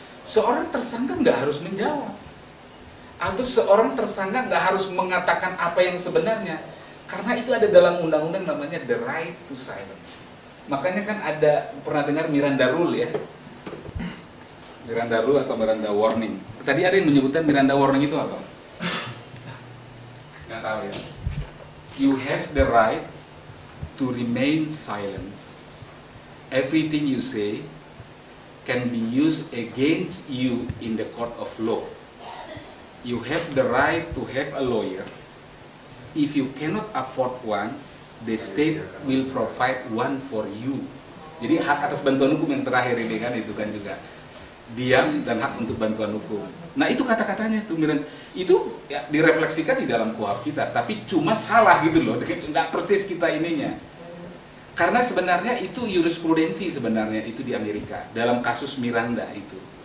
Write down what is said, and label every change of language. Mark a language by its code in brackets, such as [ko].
[id] Seorang tersangka enggak harus menjawab. Atau seorang tersangka nggak harus mengatakan apa yang sebenarnya. Karena itu ada dalam undang-undang namanya [en] the right to silence. [id] Makanya kan ada, pernah dengar Miranda Rule ya? Miranda Rule atau Miranda Warning. Tadi ada yang menyebutnya Miranda Warning itu apa? Nggak tahu ya. [en] You have the right to remain silent. Everything you say can be used against you in the court of law. You have the right to have a lawyer. If you cannot afford one, the state will provide one for you. [id] Jadi hak atas bantuan hukum yang terakhir ini kan itu kan juga diam dan hak untuk bantuan hukum. Nah itu kata-katanya tuh Miran. Itu ya, direfleksikan di dalam KUHP kita. Tapi cuma salah gitu loh. Tidak persis kita ininya. Karena sebenarnya itu jurisprudensi sebenarnya itu di Amerika dalam kasus Miranda itu.